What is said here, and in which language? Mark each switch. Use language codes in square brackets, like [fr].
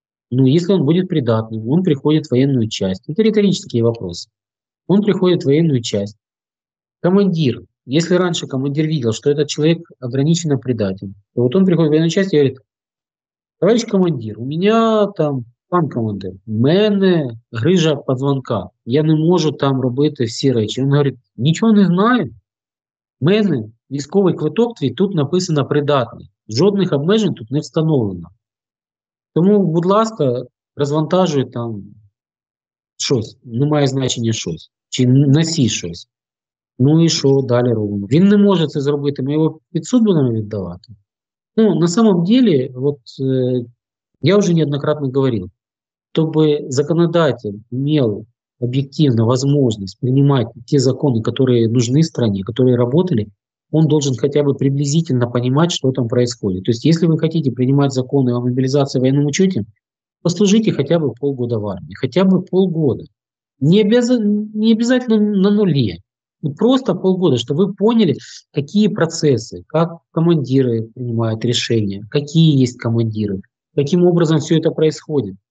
[ru] Ну, если он будет придатным, он приходит в военную часть. Это риторический вопрос. Он приходит в военную часть. Командир. Если раньше командир видел, что этот человек ограниченно придатен, то вот он приходит в военную часть и говорит, товарищ командир, у меня там, пан командир, [uk] у мене [ru] грыжа позвонка. [uk] Я [ru] не могу [uk] там робити всі речі. [ru] Он говорит, ничего не знаю. [uk] Мене. Військовий квиток твій тут написано придатний. Жодних обмежень тут не встановлено. Тому, будь ласка, розвантажуй там щось. Немає значення щось. Чи носі щось. Ну і що далі робимо? Він не може це зробити. Ми його під суд будемо віддавати. Ну, [ru] на самом деле, [uk] от, я вже [ru] неоднократно [uk] говорив, щоб законодатель мав об'єктивну можливість приймати ті закони, які [ru] нужны стране, [uk] які [ru] работали. Он должен хотя бы приблизительно понимать, что там происходит. То есть если вы хотите принимать законы о мобилизации, военном учете, послужите хотя бы полгода в армии. Хотя бы полгода. Не обязательно на нуле. Просто полгода, чтобы вы поняли, какие процессы, как командиры принимают решения, какие есть командиры, каким образом все это происходит.